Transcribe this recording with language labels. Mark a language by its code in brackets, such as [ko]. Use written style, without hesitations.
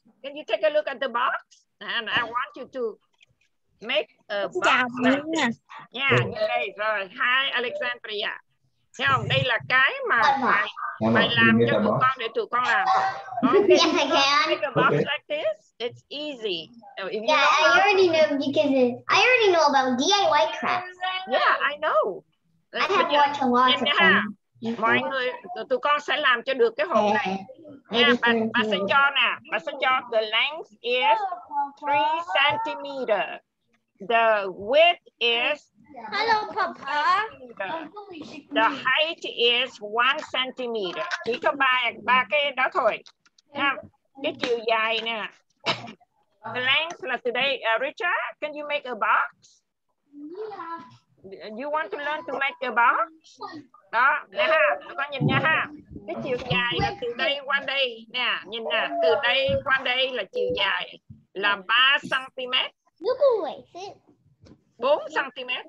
[en] Can you take a look at the box? And I want you to make a box. Yeah, yeah, right. Hi, Alexandria. [vi] Thấy không? Đây là cái mà thầy thầy làm cho tụi con để tụi con làm. Okay. [en] Yeah, I can. Make a box like this. It's easy. So if you yeah, know, I already know because I already know about DIY crafts. Yeah, I know. I have watched a lot of them. [vi] Mọi người, tụi con sẽ làm cho được cái hộp này. Bà sẽ cho nè. Bà sẽ cho [en] the length is 3 centimeter. The width is... Hello, Papa. The height is 1 centimeter. [vi] Chỉ có ba cái đó thôi. Cái chiều dài nè. [en] The length [vi] là từ đây. [en] Richard, can you make a box? Yeah. You want to learn to make a box? [vi] Đó, nè ha, con nhìn nha ha. Cái chiều dài là từ đây qua đây. Nè, nhìn nè, từ đây qua đây là chiều dài là 3 cm. 4 cm.